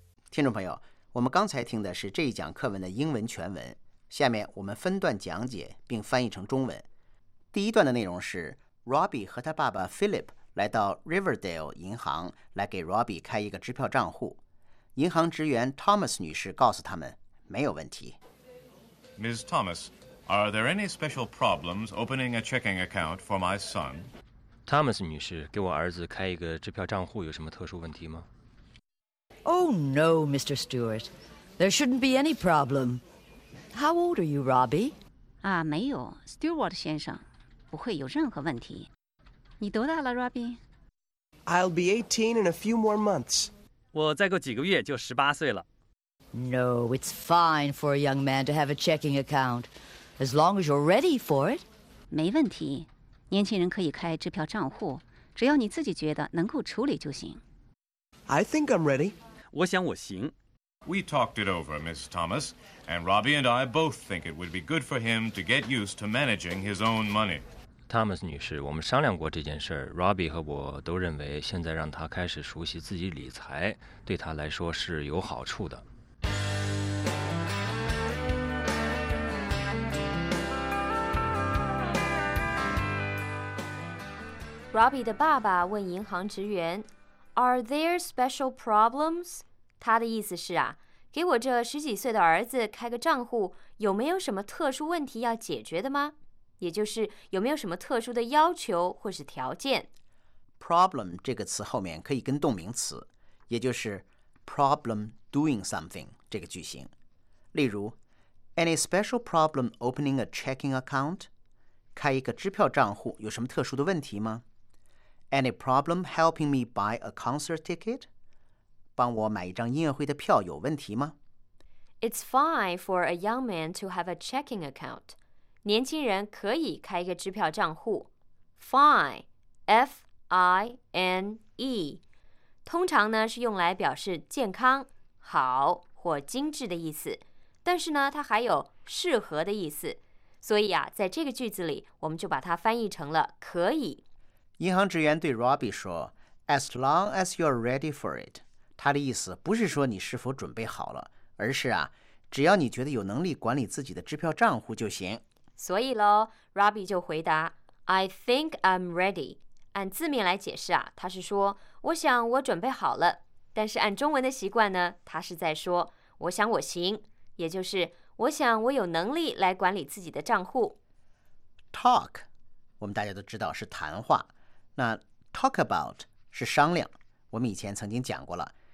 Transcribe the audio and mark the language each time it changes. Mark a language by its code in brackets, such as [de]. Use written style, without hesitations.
[zh] 听众朋友，我们刚才听的是这一讲课文的英文全文，下面我们分段讲解并翻译成中文。第一段的内容是 Robbie 和他爸爸 Philip 来到 Riverdale 银行来给 Robbie 开一个支票账户。银行职员 Thomas 女士告诉他们没有问题。 [en] Ms. Thomas, are there any special problems opening a checking account for my son? [zh] Thomas 女士，给我儿子开一个支票账户有什么特殊问题吗？ [en] Oh, no, Mr. Stewart. There shouldn't be any problem. How old are you, Robbie? [zh] 啊，没有 ,Stewart 先生，不会有任何问题。你多大了 ,Robbie? [en] I'll be 18 in a few more months. [zh] 我再过几个月就18岁了。 [en] No, it's fine for a young man to have a checking account, as long as you're ready for it. [zh] 没问题，年轻人可以开支票账户，只要你自己觉得能够处理就行。 [en] I think I'm ready. [zh] 我想我行。 [en] We talked it over, Ms. Thomas, and Robbie and I both think it would be good for him to get used to managing his own money. [zh] Thomas 女士，我们商量过这件事儿。Robbie 和我都认为，现在让他开始熟悉自己理财，对他来说是有好处的。 Robbie 的爸爸问银行职员。 [en] Are there special problems? [zh] 他的意思是啊，给我这十几岁的儿子开个账户，有没有什么特殊问题要解决的吗？也就是有没有什么特殊的要求或是条件？ Problem 这个词后面可以跟动名词，也就是 [en] problem doing something [zh] 这个句型。 [en] 例如 ，Any special problem opening a checking account? [zh] 开一个支票账户有什么特殊的问题吗？ [en] Any problem helping me buy a concert ticket? [zh] 帮我买一张音乐会的票有问题吗？ [en] It's fine for a young man to have a checking account. [zh] 年轻人可以开一个支票账户。 [en] Fine, F-I-N-E. [zh] 通常呢是用来表示健康、好或精致的意思。但是呢它还有适合的意思。所以啊在这个句子里我们就把它翻译成了可以。银行职员对 Robbie 说 , [en] As long as you're ready for it, [zh] 他的意思不是说你是否准备好了而是啊只要你觉得有能力管理自己的支票账户就行。所以咯 ,Robbie 就回答 , [en] I think I'm ready. [zh] 按字面来解释啊他是说我想我准备好了。但是按中文的习惯呢他是在说我想我行也就是我想我有能力来管理自己的账户。 Talk, 我们大家都知道是谈话。那 talk about 是商量，我们以前曾经讲过了。